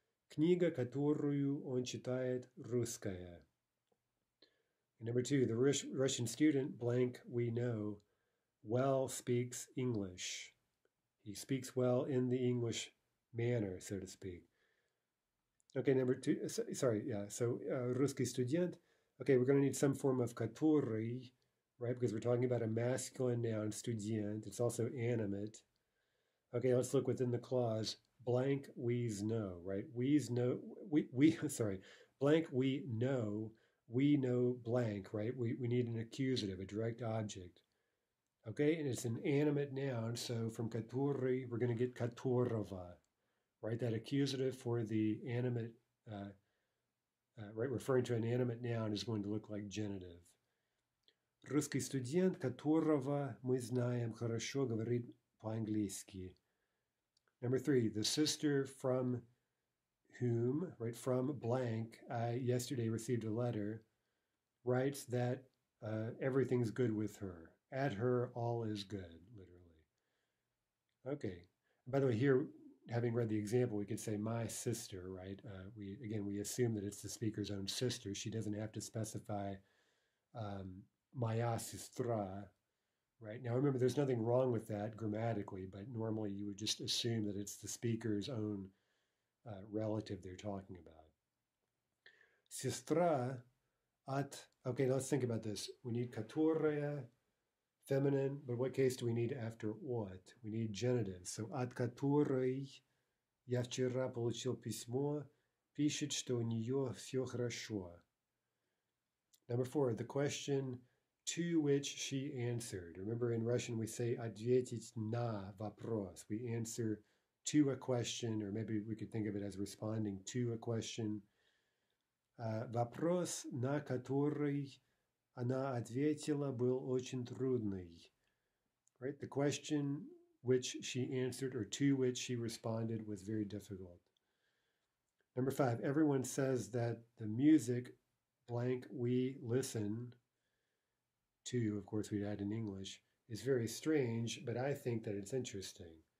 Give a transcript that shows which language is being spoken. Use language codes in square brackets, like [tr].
[ru] Книга, которую он читает, русская. [en] And number two, the Russian student, blank, we know, well speaks English. He speaks well in the English manner, so to speak. Okay, number two, sorry, yeah, so [ru] русский студент. [en] Okay, we're going to need some form of который, right? Because we're talking about a masculine noun, студент. It's also animate. Okay, let's look within the clause. Blank, we's know, right? We's know, we, sorry. Blank, we know blank, right? We need an accusative, a direct object. Okay, and it's an animate noun, so from katori, we're going to get katorova, right? That accusative for the animate, right, referring to an animate noun is going to look like genitive. [ru] Русский студент, которого мы знаем хорошо, говорит по-английски. [en] Number three, the sister from whom, right, from blank, I yesterday received a letter, writes that everything's good with her. At her, all is good, literally. Okay. By the way, here, having read the example, we could say my sister, right? We assume that it's the speaker's own sister. She doesn't have to specify [ru] моя сестра. [en] Right. Now remember, there's nothing wrong with that grammatically, but normally you would just assume that it's the speaker's own relative they're talking about. [ru] Сестра от. [en] Okay, now let's think about this. We need которая, feminine, but what case do we need after от? We need genitive. [ru] So от которой я вчера получил письмо, пишет, что у нее все хорошо. [en] Number four, the question. To which she answered. Remember in Russian we say [ru] ответить на вопрос. [en] We answer to a question, or maybe we could think of it as responding to a question. [ru] Вопрос, на который она ответила, был очень трудный. [en] Right? The question which she answered or to which she responded was very difficult. Number five, everyone says that the music blank we listen to, of course, we'd add in English, is very strange, but I think that it's interesting.